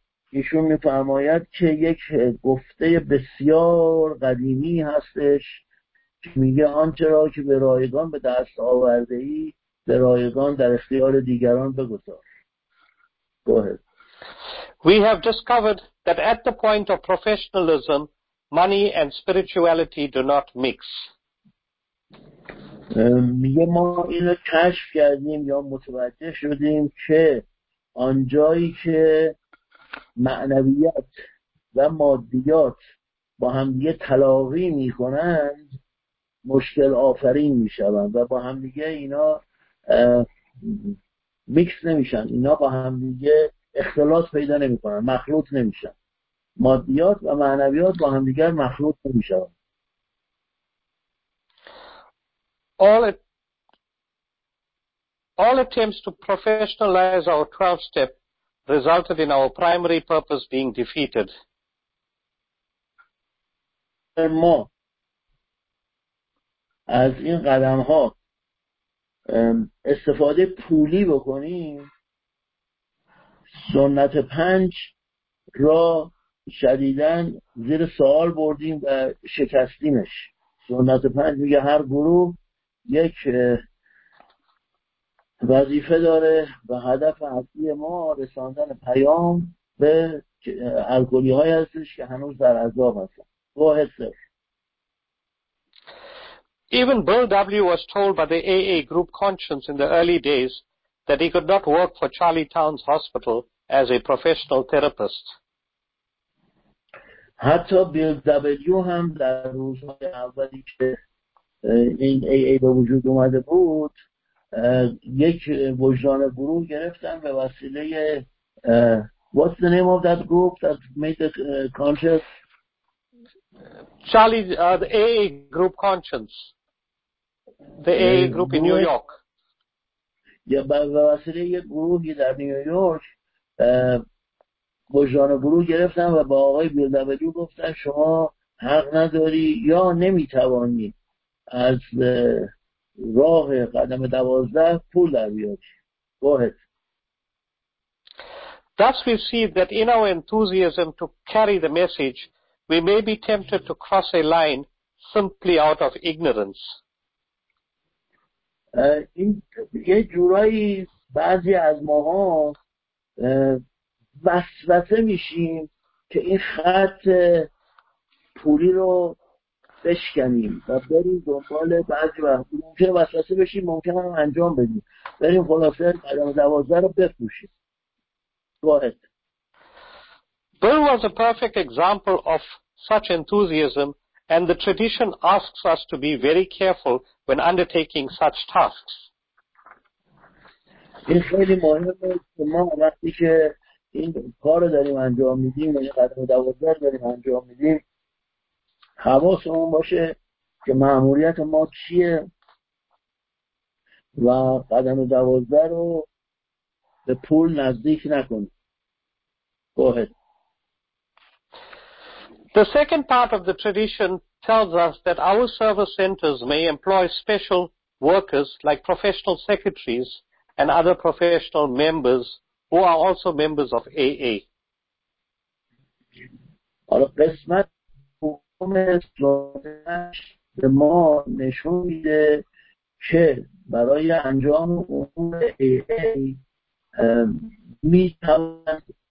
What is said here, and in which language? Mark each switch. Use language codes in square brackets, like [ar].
[fa] ایشون میفرماید که یک گفته بسیار قدیمی هستش که میگه آنچه را که به رایگان به دست آورده ای به رایگان در اختیار دیگران بگذار. [en] Go ahead. We have discovered that at the point of professionalism, money and spirituality do not mix. [fa] میگه ما اینو کشف کردیم یا متوجه شدیم که آنجایی که معنویات و مادیات با هم دیگه تلاقی میکنند مشکل آفرین میشوند و با هم دیگه اینا میکس نمیشن، اینا با هم دیگه اختلاط پیدا نمیکنن، مخلوط نمیشن. مادیات و معنویات با هم دیگر مخلوط نمی شود. [en] All attempts to professionalize our 12 step resulted in our primary purpose being defeated. [fa] ما از این قدم ها استفاده پولی بکنیم، سنت پنج را شدیداً زیر سوال بردیم و شکستیمش. سنت پنج میگه هر گروه یک وظیفه داره و هدف اصلی ما رساندن پیام به الگولی های هستش که هنوز در عذاب هستن. واحد صرف. [en] Even Bill W. was told by the AA group conscience in the early days that he could not work for Charlie Towns Hospital as a professional therapist. [fa] حتی Bill W. هم در روزهای اولی که این AA به وجود اومده بود یک وجدان گروه گرفتن به وسیله [en] What's the name of that group that made the conscience? Charlie, the AA group conscience. The AA group in New York. [fa] Yeah, به وسیله یک گروهی در نیویورک وجدان گروه گرفتن و با آقای بیل دبلیو گفتن شما حق نداری یا نمیتوانی از راه قدم 12 پول در بیاری. [en] Go ahead. Thus we see that in our enthusiasm to carry the message, we may be tempted to cross a line simply out of ignorance. [fa] این یه جورایی بعضی از ماها وسوسه میشیم که این خط پولی رو بشکنیم و بریم دنبال بعضی وقت ممکنه وسوسه بشیم، ممکنه هم انجام بدیم، بریم خلاصه قدم 12 رو بپوشیم. واحد [en] Bill was a perfect example of such enthusiasm, and the tradition asks us to be very careful when undertaking such tasks. [fa] این خیلی مهمه که ما وقتی که این کار رو داریم انجام میدیم و این قدم 12 رو داریم انجام میدیم حواسمون باشه که مأموریت ما چیه و قدم 12 رو به پول نزدیک نکنیم. [en] Go ahead. The second part of the tradition tells us that our service centers may employ special workers like professional secretaries and other professional members who are also members of AA. [fa] حالا قسمت دوم سلوکش به ما نشون میده که برای انجام امور AA میتوان